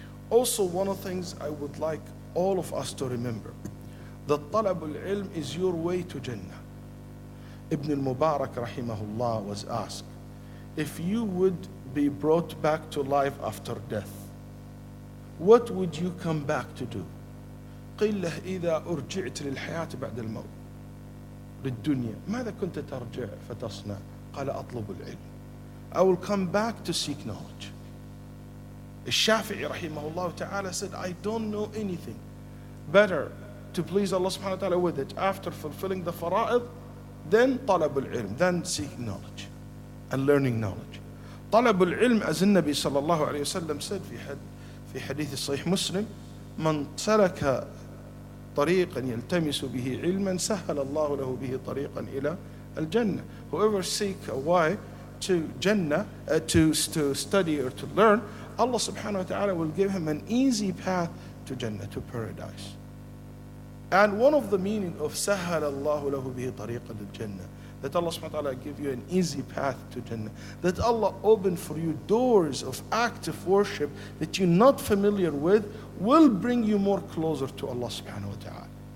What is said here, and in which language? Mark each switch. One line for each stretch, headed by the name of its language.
English: Also, one of the things I would like all of us to remember, that talab al-ilm is your way to Jannah. Ibn al-Mubarak, rahimahullah, was asked, if you would be brought back to life after death, what would you come back to do?
Arabic: قِلَّهْ إِذَا أُرْجِعْتْ لِلْحَيَاةِ بَعْدَ الْمَوْتِ لِلْدُّنْيَا مَاذَا كُنْتَ تَرْجِعْ فَتَصْنَعْ قَالَ أَطْلُبُ الْعِلْمِ.
English: I will come back to seek knowledge.
Arabic: الشافعي رحمه الله تعالى
English: said, I don't know anything better to please Allah subhanahu wa ta'ala with it after fulfilling the fara'id than طلب العلم, than seeking knowledge and learning knowledge.
Arabic: طلب العلم, as in Nabi sallallahu alayhi wa sallam said في حديث الصحيح مسلم, من ترك طريقا يلتمس به علما سهل الله له به طريقا إلى الجنة.
English: Whoever seek a way to Jannah, to study or to learn, Allah subhanahu wa ta'ala will give him an easy path to Jannah, to paradise. And one of the meaning of
Arabic: سهل الله له به طريقا للجنة,
English: that Allah subhanahu wa ta'ala give you an easy path to Jannah, that Allah open for you doors of active worship that you're not familiar with, will bring you more closer to Allah subhanahu wa ta'ala.